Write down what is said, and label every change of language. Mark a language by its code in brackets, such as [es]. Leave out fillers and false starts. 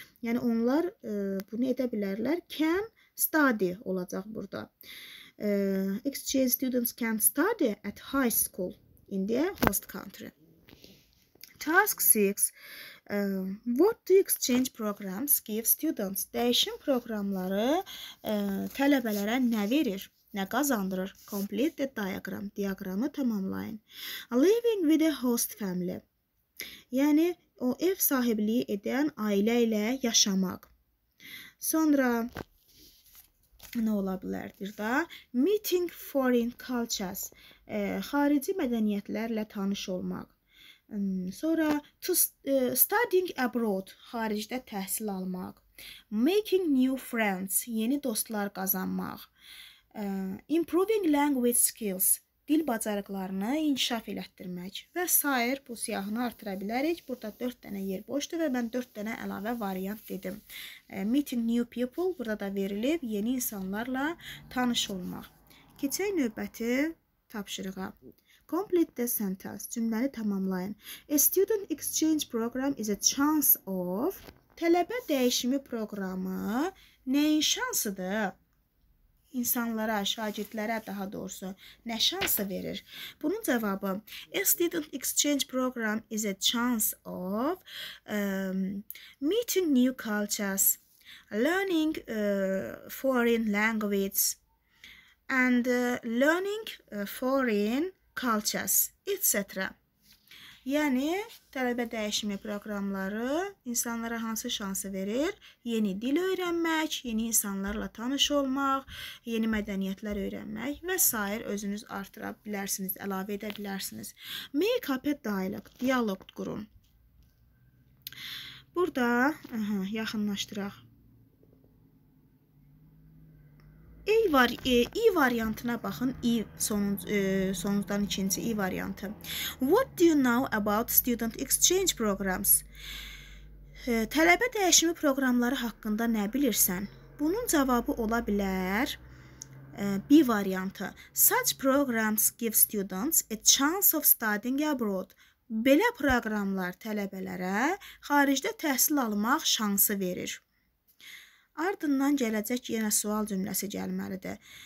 [az] Yəni onlar bunu edə bilərlər. [en] Can study [az] olacaq burada. [en] Exchange students can study at high school in their host country. Task 6. What do exchange programs give students? [az] Dəyişim proqramları tələbələrə nə verir, nə qazandırır? [en] Complete the diagram. [az] Diaqramı tamamlayın. [en] Living with a host family. [az] Yəni, o ev sahibliyi edən ailə ilə yaşamaq. Sonra nə ola bilərdir da? [en] Meeting foreign cultures. [az] Xarici mədəniyyətlərlə tanış olmaq. Sonra [en] studying abroad, [az] xaricdə təhsil almaq, [en] making new friends, [az] yeni dostlar qazanmaq, [en] improving language skills, [az] dil bacarıqlarını inkişaf elətdirmək və s. Bu siyahını artıra bilərik. Burada 4 dənə yer boşdur və mən 4 dənə əlavə variant dedim. [en] Meeting new people, [az] burada da verilib yeni insanlarla tanış olmaq. Keçək növbəti tapşırığa. [en] Complete the sentence. [az] Cümləni tamamlayın. [en] A student exchange program is a chance of. [az] Tələbə dəyişimi proqramı nəyin şansıdır? İnsanlara, şagirdlərə daha doğrusu nə şansı verir? Bunun cavabı [en] a student exchange program is a chance of meeting new cultures, learning foreign language and learning foreign cultures, etc. [az] Yəni, tələbə dəyişimi proqramları insanlara hansı şansı verir? Yeni dil öyrənmək, yeni insanlarla tanış olmaq, yeni mədəniyyətlər öyrənmək və s. özünüz artıra bilərsiniz, əlavə edə bilərsiniz. [en] Make up a dialogue, [az] dialog qurun. Burada yaxınlaşdıraq. E variantına baxın. Sonundan ikinci E variantı. [en] What do you know about student exchange programs? [az] Tələbə dəyişimi proqramları haqqında nə bilirsən? Bunun cavabı ola bilər B variantı. [en] Such programs give students a chance of studying abroad. [az] Belə proqramlar tələbələrə xaricdə təhsil almaq şansı verir. Ardından gələcək yenə sual cümləsi gəlməlidir.